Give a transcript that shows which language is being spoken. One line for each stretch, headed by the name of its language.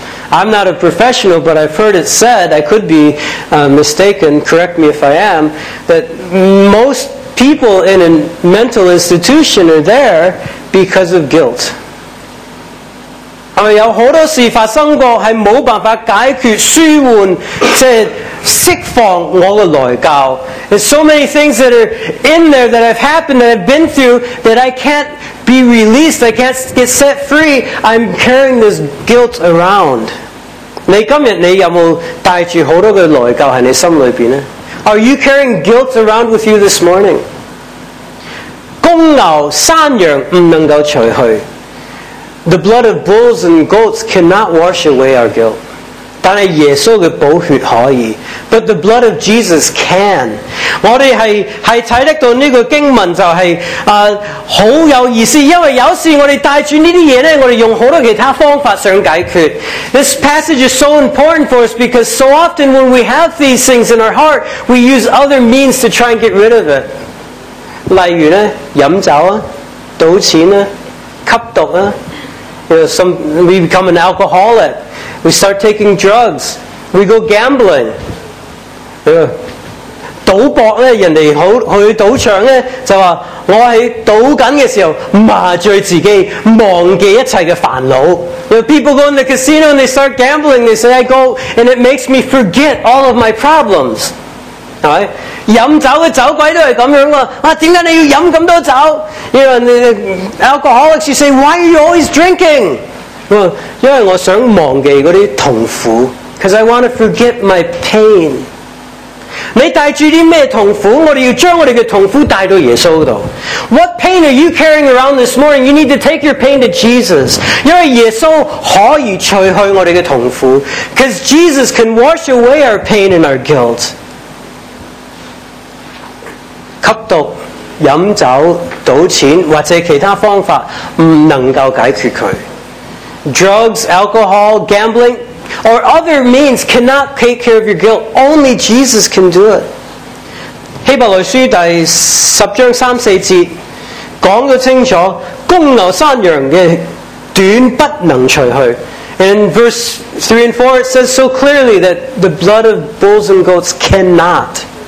English: I'm not a professional, but I've heard it said, I could be mistaken, correct me if I am, that most people in a mental institution are there because of guilt.
Cantonese: 有很多事发生过是没有办法解决舒缓，即释放我的内疚。
English: There's so many things that are in there that have happened, that I've been through, that I can't be released, I can't get set free. I'm carrying this guilt around.
Cantonese: 你今天你有没有带着很多的内疚在你心里面呢？
English: Are you carrying guilt around with you this morning?
Cantonese: 公牛山羊不能够除去。
English: The blood of bulls and goats cannot wash away our guilt.
Cantonese: 但是耶稣的宝血可以。
English: But the blood of Jesus can.
Cantonese: 我们 是看得到这个经文就是很有意思，因为有时我们带着这些东西，我们用很多其他方法想解决。
English: This passage is so important for us because so often when we have these things in our heart, we use other means to try and get rid of it.
Cantonese: 例如呢，喝酒啊，赌钱啊，吸毒啊，
English: we become an alcoholic. We start taking drugs. We go gambling.
Cantonese: 赌博呢，人家去赌场呢，就说我在赌紧的时候麻醉自己，忘记一切的烦恼。
English: People go in the casino and they start gambling. They say, I go and it makes me forget all of my problems.
Cantonese: 饮酒的酒鬼都是这样的，为什么你要饮这么多酒？
English: Alcoholics, you say, why are you always drinking?
Cantonese: 因为我想忘记那些痛苦。
English: Because I want to forget my pain.
Cantonese: 你带着什么痛苦？我们要将我们的痛苦带到耶稣那里。
English: What pain are you carrying around this morning? You need to take your pain to Jesus.
Cantonese: 因为耶稣可以除去我们的痛苦。
English: Because Jesus can wash away our pain and our guilt.
Cantonese: 吸毒、饮酒、赌钱或者其他方法不能够解决它。
English: Drugs, alcohol, gambling, or other means cannot take care of your guilt. Only Jesus can do it.
Cantonese: 希伯来书第十章三四节讲得清楚，公牛山羊的短不能除去。
English: In verse 3 and 4 it says so clearly that the blood of bulls and goats cannot.